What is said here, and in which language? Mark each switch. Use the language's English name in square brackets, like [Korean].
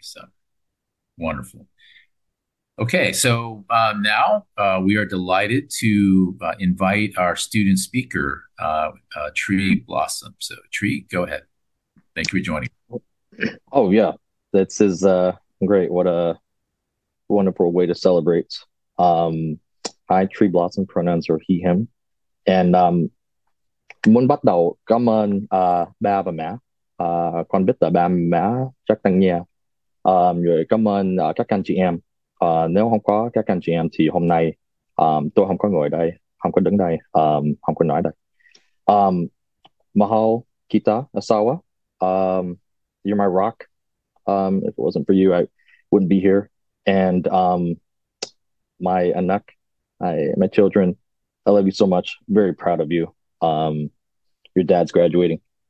[English] So wonderful. Okay, so now we are delighted to invite our student speaker, Tree Blossom. So Tree, go ahead. Thank you for joining. Oh yeah, this is great. What a wonderful way to celebrate. Hi, Tree Blossom, pronouns are he, him. [Vietnamese] And muốn bắt đầu cảm ơn ba và mẹ. Con biết là ba mẹ chắc đang nghe. Rồi cảm ơn các anh chị em. Nếu không có các anh chị em thì hôm nay tôi không có ngồi đây, không có đứng đây, không có nói đây. [Filipino] Mahal, Kita, Asawa, [English] you're my rock. If it wasn't for you, I wouldn't be here. And my anak, my children, I love you so much. Very proud of you. Your dad's graduating.